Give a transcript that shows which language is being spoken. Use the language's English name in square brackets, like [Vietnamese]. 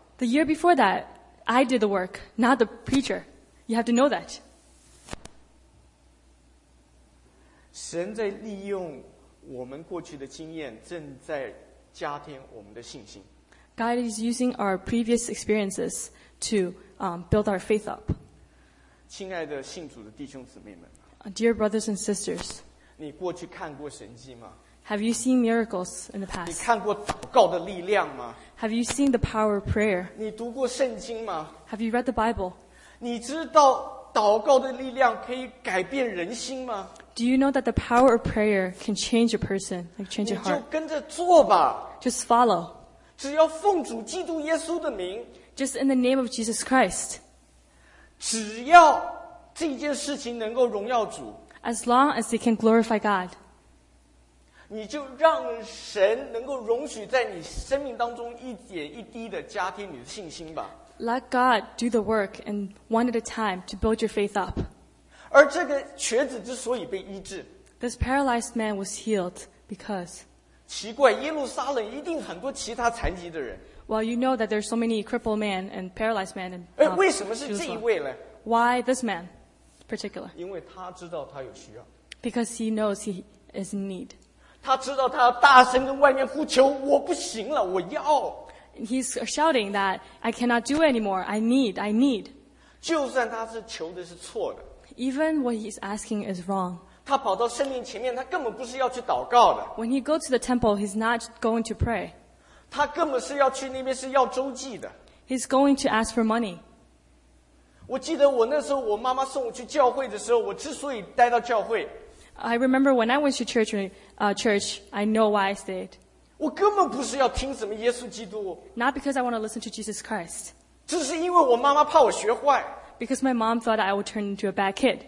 [English] The year before that, I did the work, not the preacher. You have to know that. [Chinese] 神在利用我们过去的经验，正在加添我们的信心。 [English] God is using our previous experiences to build our faith up. [Chinese] 亲爱的信主的弟兄姊妹们， [English] Dear brothers and sisters, [Chinese] 你过去看过神迹吗？ [English] Have you seen miracles in the past? [Chinese] 你看过祷告的力量吗？ [English] Have you seen the power of prayer? [Chinese] 你读过圣经吗？ [English] Have you read the Bible? [Chinese] 你知道祷告的力量可以改变人心吗？ [English] Do you know that the power of prayer can change a person, like change a heart? [Chinese] 你就跟着做吧。 [English] Just follow. [Chinese] 只要奉主基督耶稣的名， [English] Just in the name of Jesus Christ， [Chinese] 只要这件事情能够荣耀主， [English] As long as it can glorify God， [Chinese] 你就让神能够容许在你生命当中一点一滴的加添你的信心吧。 [English] Let God do the work and one at a time to build your faith up。 [Chinese] 而这个瘸子之所以被医治， [English] This paralyzed man was healed because [Chinese] 奇怪，耶路撒冷一定很多其他残疾的人。 [English] Well, you know that there's so many crippled men and paralyzed men. [Chinese] 哎，为什么是这一位呢？ [English] Why this man, particular? [Chinese] 因为他知道他有需要。 [English] Because he knows he is in need. [Chinese] 他知道他要大声跟外面呼求，我不行了，我要。 [English] He's shouting that I cannot do anymore. I need, I need. [Chinese] 就算他是求的是错的。 [English] Even what he's asking is wrong. [Chinese] 他跑到圣殿前面，他根本不是要去祷告的。 [English] When he goes to the temple, he's not going to pray. [Chinese] 他根本是要去那边是要周济的。 [English] He's going to ask for money. [Chinese] 我记得我那时候我妈妈送我去教会的时候，我之所以待到教会。 [English] I remember when I went to church, I know why I stayed. [Chinese] 我根本不是要听什么耶稣基督。 [English] Not because I want to listen to Jesus Christ. [Chinese] 只是因为我妈妈怕我学坏。 [English] Because my mom thought I would turn into a bad kid.